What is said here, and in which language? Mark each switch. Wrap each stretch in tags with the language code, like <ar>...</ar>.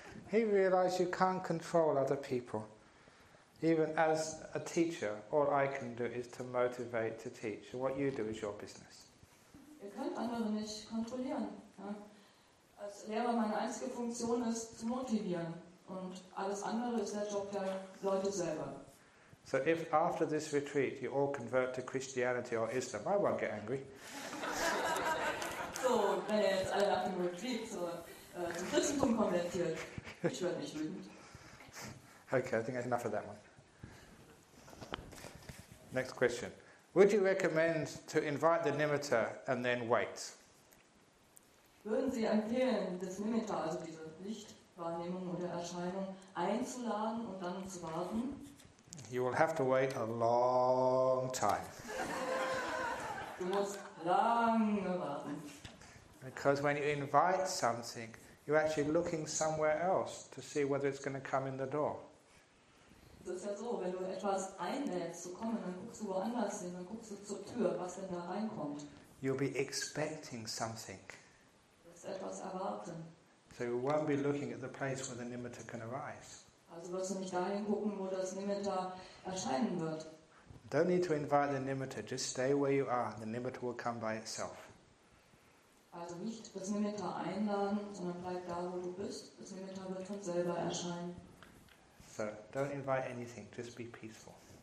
<en>He realized you can't control other people. Even as a teacher, all I can do is to motivate to teach. What you do is your business.</en> <de>Ihr könnt andere nicht kontrollieren. Ja? Als Lehrer, meine einzige Funktion ist zu motivieren. Und alles andere ist der Job der Leute selber.</de> <en>So if after this retreat you all convert to Christianity or Islam, I won't get angry.</en> <de>So, wenn ihr jetzt alle nach dem Retreat zum Christentum konvertiert, ich werde nicht wütend.</de> <en>Okay, I think that's enough of that one. Next question. Would you recommend to invite the Nimitta and then wait?</en> <de>Würden Sie empfehlen, das Nimitta, also diese Lichtwahrnehmung oder Erscheinung, einzuladen und dann zu warten?</de> <en>You will have to wait a long time.</en> <de>Du musst lange warten.</de> <en>Because when you invite something, you're actually looking somewhere else to see whether it's going to come in the door.</en> <de>Es ist ja so, wenn du etwas einlädst zu kommen, dann guckst du woanders hin, dann guckst du zur Tür, was denn da reinkommt.</de> <en>You'll be expecting something.</en> <de>Du wirst etwas erwarten.</de> <en>So you won't be looking at the place where the Nimitta can arise.</en> <de>Also wirst du nicht dahin gucken, wo das Nimitta erscheinen wird.</de> <en>Don't need to invite the Nimitta, just stay where you are. The Nimitta will come by itself.</en> <de>Also nicht das Nimitta einladen, sondern bleib da, wo du bist. Das Nimitta wird von selber erscheinen.</de> <en>So don't invite anything, just be peaceful.</en>